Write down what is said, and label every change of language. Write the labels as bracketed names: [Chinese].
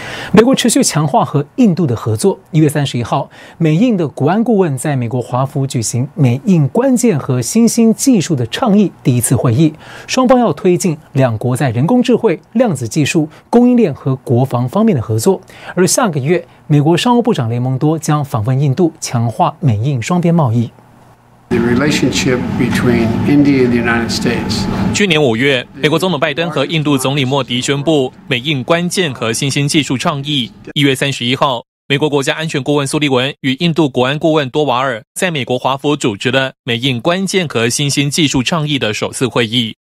[Chinese] 美国持续强化和印度的合作。1月31号，美印的国安顾问在美国华府举行美印关键和新兴技术的倡议第一次会议，双方要推进两国在人工智慧、量子技术、供应链和国防方面的合作。而下个月，美国商务部长雷蒙多将访问印度，强化美印双边贸易。 [English] The relationship between India and the United States. [Chinese] 去年五月，美国总统拜登和印度总理莫迪宣布美印关键和新兴技术倡议。 1月31号，美国国家安全顾问苏利文与印度国安顾问多瓦尔在美国华府主持了美印关键和新兴技术倡议的首次会议。